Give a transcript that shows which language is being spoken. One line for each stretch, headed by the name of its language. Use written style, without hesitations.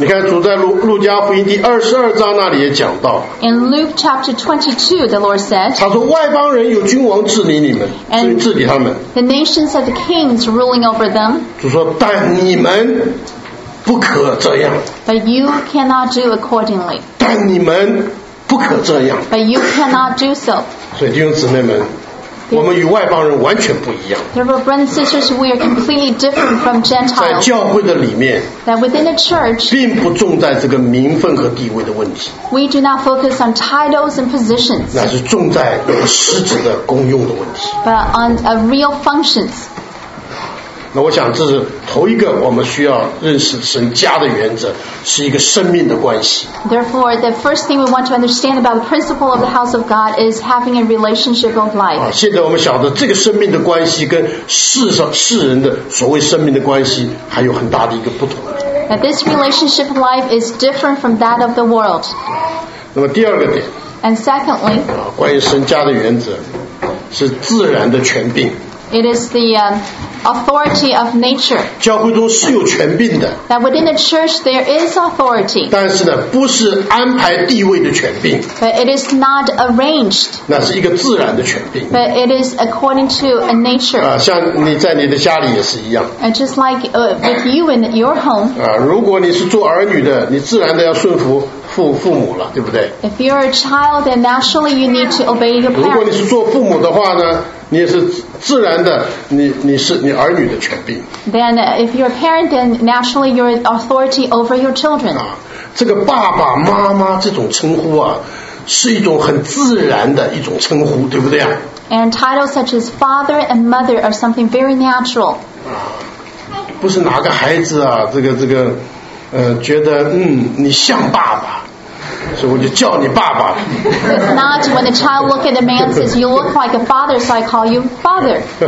Chinese: 你看，主在路加福音第二十二章那里也讲到。
English: In Luke chapter 22, the Lord said.
Chinese: 他说外邦人有君王治理你们，所以治理他们。
English: The nations have the kings ruling over them.
Chinese: 主说，但你们不可这样。
English: But you cannot do accordingly.
Chinese: 但你们不可这样。
English: But you cannot do so.
Chinese: 所以弟兄姊妹们。我们与外邦人完全不一样。
English: Therefore, brothers and sisters, we are completely different from Gentiles.
Chinese: 在教会的里面，
English: that within the church,
Chinese: 并不重在这个名分和地位的问题。
English: We do not focus on titles and positions.
Chinese: 那是重在实质的功用的问题。
English: But on a real functions.
Chinese: 那我想这是头一个我们需要认识神家的原则，是一个生命的关系。
English: Therefore, the first thing we want to understand about the principle of the house of God is having a relationship of life.
Chinese: 现在我们晓得这个生命的关系跟世人的所谓生命的关系还有很大的一个不同。
English: Now, this relationship of life is different from that of the world.
Chinese: 那么第二个点。
English: And secondly,
Chinese: 关于神家的原则是自然的权柄。
English: It is the authority of nature.
Chinese: 教会中是有权柄的。
English: That within the church there is authority.
Chinese: 但是呢，不是安排地位的权柄。
English: But it is not arranged.
Chinese: 那是一个自然的权柄。
English: But it is according to a nature.
Chinese: 像你在你的家里也是一样。
English: And just like with you in your home.
Chinese: 如果你是做儿女的，你自然的要顺服。父母了，对不对？
English: If you're a child, then naturally you need to obey your parents.
Chinese: 如果你是做父母的话呢，你也是自然的，你是你儿女的权柄。
English: Then if you're a parent, then naturally you're authority over your children.
Chinese: 这个爸爸妈妈这种称呼啊，是一种很自然的一种称呼，对不对啊？
English: And titles such as father and mother are something very natural.
Chinese: 不是哪个孩子啊，这个。觉得你像爸爸，所以我就叫你爸爸。
English: It's not when the child look at the man says you look like a father, so I call you father.